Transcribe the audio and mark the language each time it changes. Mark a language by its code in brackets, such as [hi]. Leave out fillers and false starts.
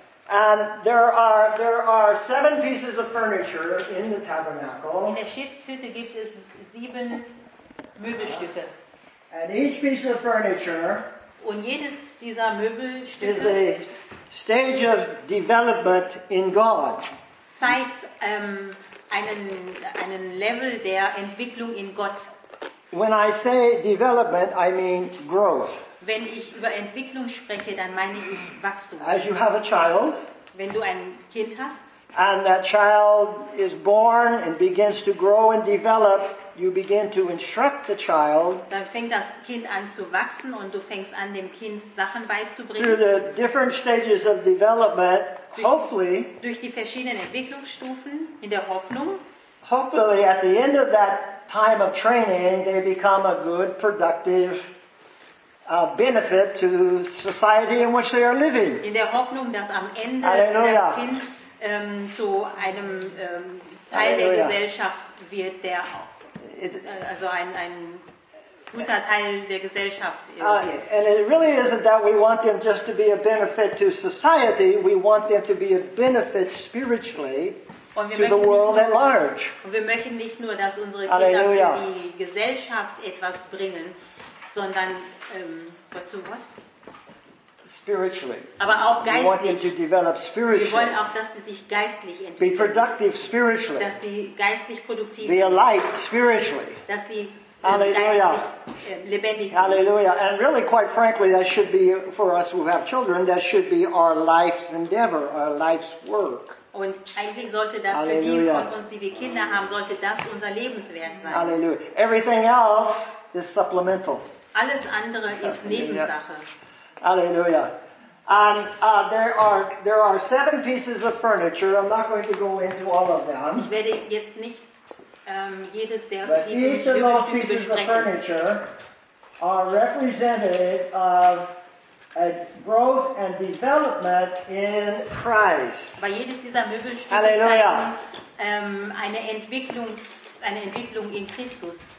[en] And there are 7 pieces of furniture in the tabernacle. [de] In der Schiffshütte gibt es 7 Möbelstücke. [en] And each piece of furniture. [de] Und jedes dieser Möbelstücke [en] is a stage of development in God. [de] Zeigt einen Level der Entwicklung in Gott. [en] When I say development, I mean growth. [de] Wenn ich über Entwicklung spreche, dann meine ich Wachstum. [en] As you have a child, [de] wenn du ein Kind hast, [en] and that child is born and begins to grow and develop, you begin to instruct the child. [de] Dann fängt das Kind an zu wachsen und du fängst an, dem Kind Sachen beizubringen. [en] Through the different stages of development, hopefully. [de] Durch die verschiedenen Entwicklungsstufen in der Hoffnung. [en] Hopefully, at the end of that time of training, they become a good, productive benefit to society in which they are living. [de] In der Hoffnung, dass am Ende Halleluja. Das Kind zu einem Teil Halleluja. Der Gesellschaft wird, der auch also ein guter Teil der Gesellschaft. [en] And it really isn't that we want them just to be a benefit to society, we want them to be a benefit spiritually to the world at large. [de] Und wir möchten nicht nur, dass unsere Kinder Halleluja. Für die Gesellschaft etwas bringen, sondern dazu was? [en] Spiritually. [de] Aber auch geistlich. [en] We want them to develop spiritually. [de] Wir wollen auch, dass sie sich geistlich entwickeln. [en] Be productive spiritually. [de] Dass sie geistlich produktiv [en] be alive spiritually. [de] Dass sie Halleluja. Lebendig sind. Halleluja. [en] And really, quite frankly, that should be for us who have children, that should be our life's endeavor, our life's work. [de] Und eigentlich sollte das Halleluja. Für die von uns, die wir Kinder haben, sollte das unser Lebenswerk sein. [en] Halleluja. Everything else is supplemental. [de] Alles andere ist Nebensache. Halleluja. [en] And there are 7 pieces of furniture. I'm not going to go into all of them. [de] Ich werde jetzt nicht jedes der Möbelstücke besprechen. [en] Of furniture are representative of a growth and development in Christ. [de] Bei jedes dieser Möbelstücke Halleluja. eine Entwicklung in Christus.